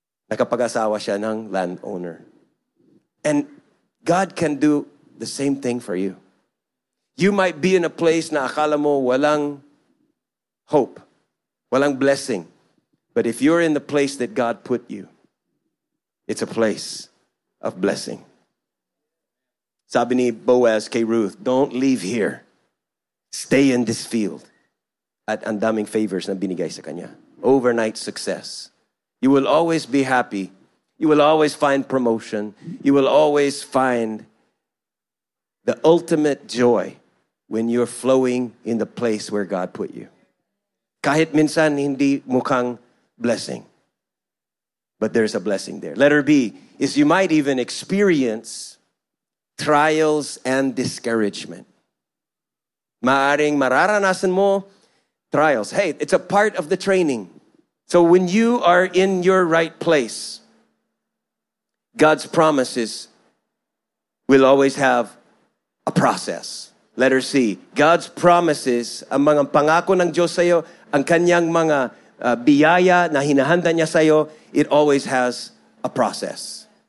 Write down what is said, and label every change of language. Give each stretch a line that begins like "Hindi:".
Filipino: Nakapag-asawa siya ng landowner.
English: And God can do the same thing for you. You might be in a place
Filipino: na akala mo walang hope, walang blessing.
English: But if you're in the place that God put you, it's a place of blessing.
Filipino: Sabi ni Boaz kay Ruth,
English: don't leave here. Stay in this field.
Filipino: At ang daming favors na binigay sa kanya.
English: Overnight success. You will always be happy. You will always find promotion. You will always find the ultimate joy when you're flowing in the place where God put you.
Filipino: Kahit minsan hindi mukhang blessing.
English: But there's a blessing there. Letter B is you might even experience trials and discouragement.
Filipino: Maaring mararanasan mo trials.
English: Hey, it's a part of the training. So when you are in your right place, God's promises will always have a process. Letter C, God's promises,
Filipino: ang mga pangako ng Diyos sa'yo, ang kanyang mga biyaya na hinahanda niya sa'yo,
English: it always has a process.